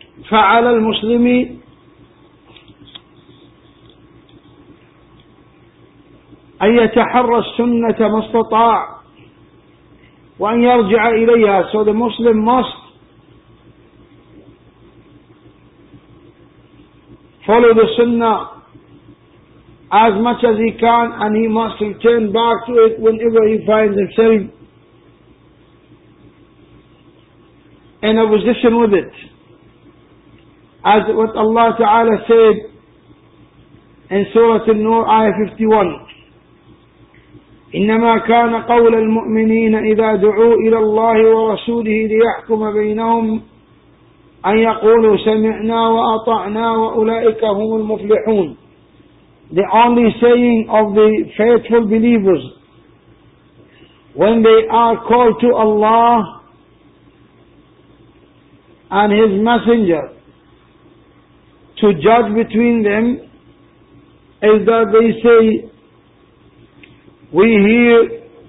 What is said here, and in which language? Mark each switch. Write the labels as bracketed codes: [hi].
[ar] فعلى المسلم أن يتحرى السنة ما استطاع وأن يرجع إليها. [en] So the Muslim must follow the Sunnah as much as he can, and he must return back to it whenever he finds himself in a position with it. As what Allah Ta'ala said in Surah An-Nur Ayah 51, [ar] إنما كان قول المؤمنين إذا دعوا إلى الله ورسوله ليحكم بينهم أن يقولوا سمعنا وأطعنا وأولئك هم المفلحون. [en] The only saying of the faithful believers when they are called to Allah and His Messenger to judge between them is that they say, we hear